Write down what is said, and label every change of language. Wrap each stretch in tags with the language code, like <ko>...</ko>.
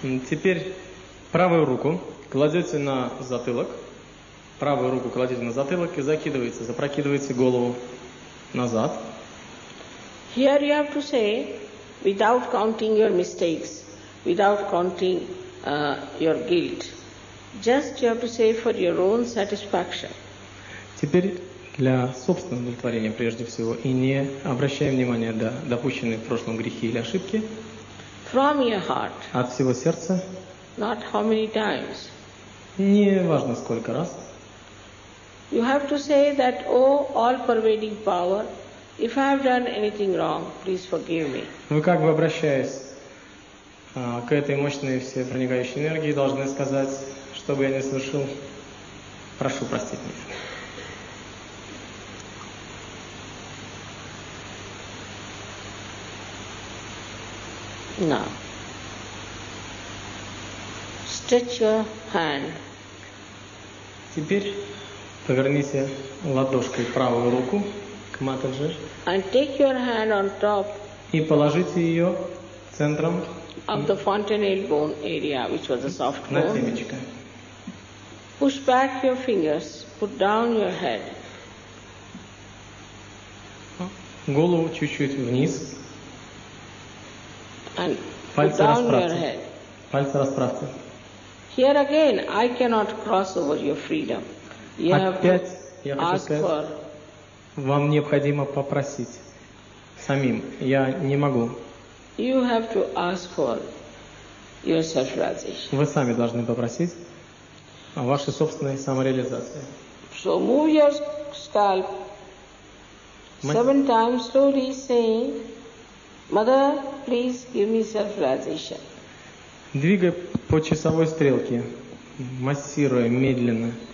<ru>Теперь правую руку кладете на затылок. Правую руку кладете на затылок и закидываете, запрокидываете голову назад.</ru> <en>Here you have to say, without counting your mistakes, without counting your guilt, just you have to say for your own satisfaction.</en> <ru>Теперь для собственного удовлетворения прежде всего и не обращая внимания на допущенные в прошлом грехи или ошибки.</ru> <en>From your heart.</en> <ru>От всего сердца.</ru> <en>Not how many times.</en> <ru>Не важно сколько раз.</ru> <en>You have to say that, O all-pervading power, if I have done anything wrong, please forgive me.</en> <ru>Вы как бы обращаясь к этой мощной всепроникающей энергии, должны сказать, что бы я ни совершил, прошу простить меня.</ru> <en>Now, stretch your hand.</en> <ru>Теперь поверните ладошкой правую руку к Матаджи.</ru> <en>And take your hand on top.</en> <ru>И положите ее центром.</ru> <en>Of the fontanel bone area, which was a soft bone.</en> <ru>На темечко.</ru> <en>Push back your fingers. Put down your head.</en> <ru>Голову чуть-чуть вниз.</ru> <en>And</en> <ru>пальцы</ru> <en>put down</en> <ru>расправьте.</ru> <en>Your head.</en> <ru>Пальцы расправьте.</ru> <en>Here again, I cannot cross over your freedom.</en> <ru>Опять, я хочу сказать, вам необходимо попросить самим. Я не могу.</ru> <en>You have to ask for your self-realization.</en> <ru>Вы сами должны попросить вашей собственной самореализации.</ru> <en>So move your scalp seven times slowly, saying, Mother, please give me self-realization.</en> <ru>Двигай по часовой стрелке, массируя медленно.</ru>